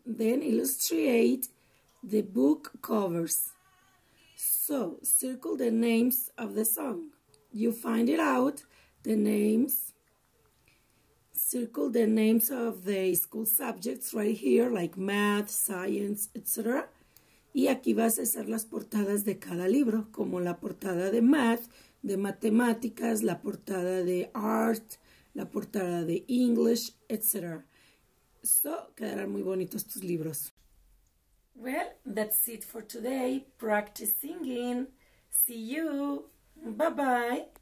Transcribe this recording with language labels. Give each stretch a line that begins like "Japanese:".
English: Then illustrate the book covers. So, circle the names of the song. You find it out, the names. Circle the names of the school subjects right here, like math, science, etc.
Spanish: Y aquí vas a hacer las portadas de cada libro, como la portada de math, de matemáticas, la portada de art, la portada de English, etc. So, quedarán muy bonitos tus libros.
English: Well, that's it for today. Practice singing. See you. Bye-bye.